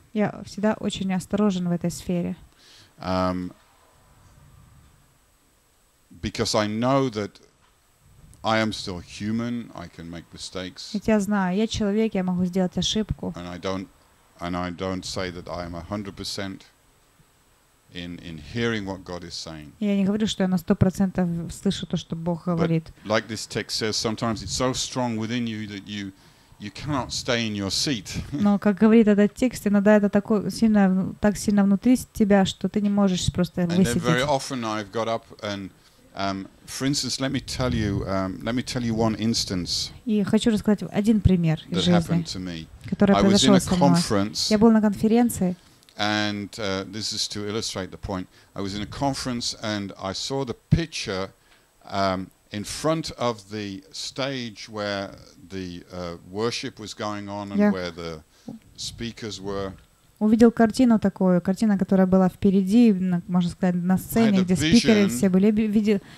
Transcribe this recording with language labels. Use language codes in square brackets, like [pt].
[ru] Я всегда очень осторожен в этой сфере. [en] Because I know that I am still human, I can make mistakes. [ru] Ведь я знаю, я человек, я могу сделать ошибку. [en] And I don't say that I am 100% in hearing what God is saying. [ru] Я не говорю, что я на 100% слышу то, что Бог говорит. [en] But like this text says, sometimes it's so strong within you that you cannot stay in your seat. [ru] Но как говорит этот текст, иногда это так сильно внутри тебя, что ты не можешь просто высидеть. [en] And then very often I've got up and for instance, let me tell you one instance. [ru] И хочу рассказать один пример из жизни, который произошел со мной. [en] I was in a conference. [ru] Я был на конференции. [en] And this is to illustrate the point. I was in a conference and I saw the picture in front of the stage where the worship was going on and where the speakers were. [ru] Увидел картину такую, картина, которая была впереди, можно сказать, на сцене, где спикеры все были.